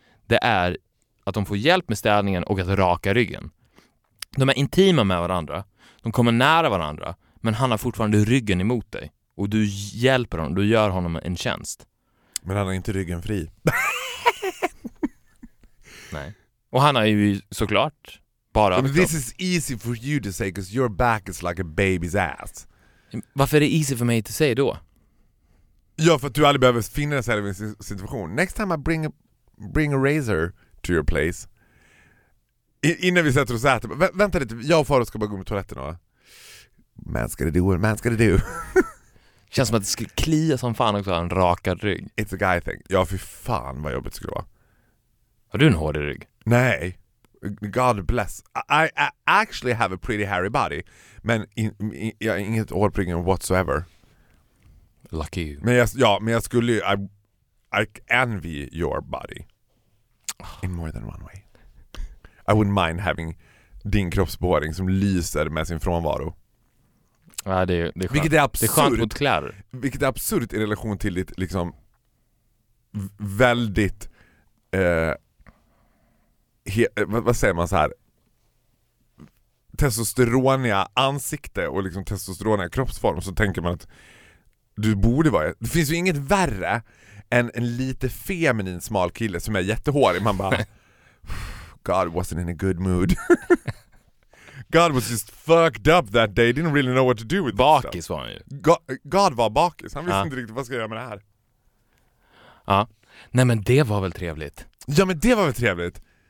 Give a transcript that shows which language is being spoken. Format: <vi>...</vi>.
<sv>Det är att de får hjälp med städningen och att raka ryggen. De är intima med varandra. De kommer nära varandra. Men han har fortfarande ryggen emot dig. Och du hjälper honom. Du gör honom en tjänst. Men han har inte ryggen fri. Nej. Och han har ju såklart... Bara men</sv> <en>this is easy for you to say because your back is like a baby's ass.</en> <sv>Varför är det easy för mig att säga då? Ja, för att du aldrig behöver finna dig själv i en situation.</sv> <en>Next time I bring a razor to your place.</en> <sv>Innan vi sätter oss och äter. Vänta lite, jag och Faro ska bara gå med toaletten. Man ska det du. Känns som att det skulle klia som fan också, en rakad rygg.</sv> <en>It's a guy thing.</en> <sv>Ja, för fan vad jobbigt skulle vara. Har du en hård rygg? Nej.</sv> <en>God bless. I actually have a pretty hairy body. Men jag har inget hårpryggen whatsoever. Lucky you.</en> <sv>Men jag skulle</sv> <en>envy your body. In more than one way. I wouldn't mind having</en> <sv>din kroppsbehåring som lyser med sin frånvaro. Ja, det är skönt. Vilket är absurd. Det är skönt mot kläder. Vilket är absurd i relation till ditt liksom väldigt... vad säger man så här? Testosteroniga ansikte och liksom testosteroniga kroppsform, så tänker man att du borde vara. Det finns ju inget värre än en lite feminin smal kille som är jättehårig. Man bara</sv> <en>God wasn't in a good mood. God was just fucked up that day. Didn't really know what to do with</en> <sv>bakis</sv> <en>this.</en> <sv>Bakis var han ju. God var bakis. Han visste inte riktigt vad ska jag göra med det här. Ja. Nej, men det var väl trevligt. Ja, men det var väl trevligt.</sv>